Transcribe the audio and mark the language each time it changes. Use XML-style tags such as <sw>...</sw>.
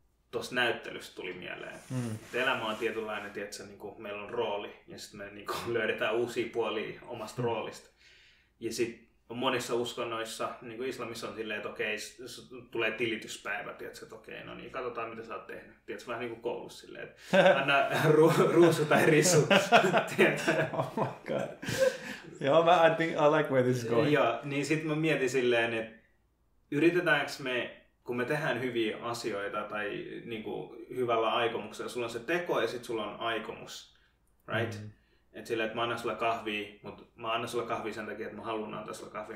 <fi>Tuossa näyttelystä tuli mieleen. Elämä on tietynlainen, tietysti, niin kuin meillä on rooli, ja sitten me niin kuin löydetään uusia puolia omasta roolista. Ja sitten monissa uskonnoissa, niin kuin islamissa on silleen, että okei, tulee tilityspäivä, tiedätkö, että okei, no niin, katsotaan mitä sä oot tehnyt. Tiedätkö, vähän niin kuin koulussa silleen, että anna ruusu tai risu.</fi> <en>Oh my god.</en> <fi>Joo, mä</fi> <en>think I like where this is going.</en> <fi>Joo, niin sit mä mietin silleen, että yritetäänkö me, kun me tehdään hyviä asioita tai niin kuin hyvällä aikomuksella, sulla on se teko ja sit sulla on aikomus, right? Mm. Että silleen, että mä annan sulle kahvia, mutta mä annan sulle kahvia sen takia, että mä haluan antaa sulle kahvia.</fi>